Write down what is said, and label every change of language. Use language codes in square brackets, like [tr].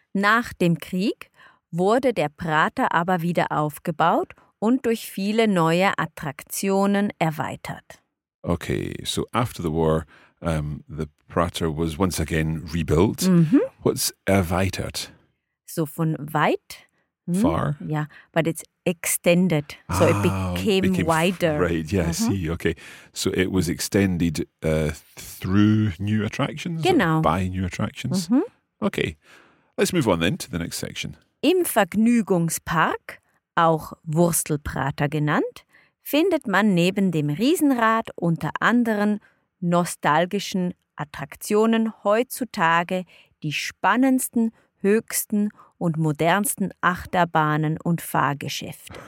[de] Nach dem Krieg wurde der Prater aber wieder aufgebaut und durch viele neue Attraktionen erweitert. [en] Okay, so after the war, the Prater was once again rebuilt. Mm-hmm. What's erweitert? [de] So von weit. [en] Far. Yeah, but it's extended. So ah, it became wider. Right, yeah, mm-hmm. I see. Okay. So it was extended through new attractions? [de] Genau. [en] By new attractions? Mm-hmm. Okay. Let's move on then to the next section. [de] Im Vergnügungspark, auch Wurstelprater genannt, findet man neben dem Riesenrad unter anderen nostalgischen Attraktionen heutzutage die spannendsten, höchsten und modernsten Achterbahnen und Fahrgeschäfte.